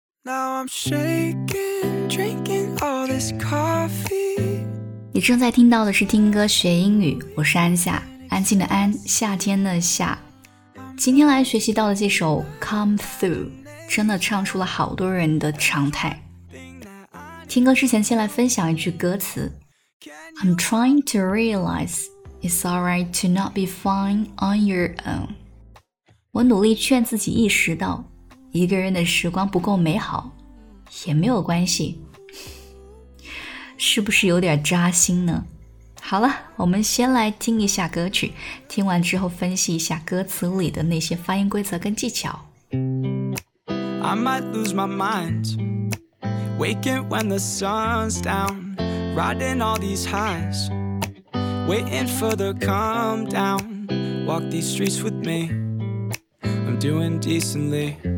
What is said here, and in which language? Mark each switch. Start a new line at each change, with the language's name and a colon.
English: Now I'm shaking, drinking all this coffee.
Chinese: 你正在听到的是听歌学英语，我是安夏，安静的安，夏天的夏。今天来学习到的这首 Come Through 真的唱出了好多人的常态。听歌之前先来分享一句歌词，
English: I'm trying to realize it's alright to not be fine on your own.
Chinese: 我努力劝自己意识到一个人的时光不够美好也没有关系，是不是有点扎心呢？好了，我们先来听一下歌曲，听完之后分析一下歌词里的那些发音规则跟技巧。
English: I might lose my mind Waking when the sun's down Riding all these highs Waiting for the calm down Walk these streets with me I'm doing decently